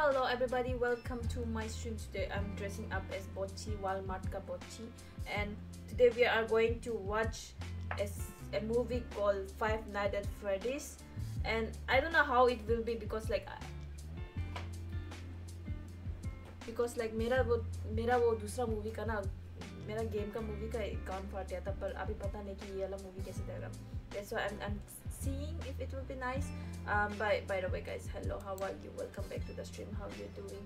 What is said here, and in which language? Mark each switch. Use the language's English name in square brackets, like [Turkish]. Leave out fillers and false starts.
[English] everybody, welcome to my stream. Today I'm dressing up as Bocchi, Walmart ka Bocchi, and today we are going to watch a movie called Five Nights at Freddy's. And I don't know how it will be because [Hindi] मेरा वो दूसरा movie का ना, मेरा game का movie का account फट गया था, पर अभी पता नहीं कि ये वाला movie कैसे देगा. [English] That's why I'm seeing if it will be nice. By the way guys, hello, how are you? Welcome back to the stream. How are you doing?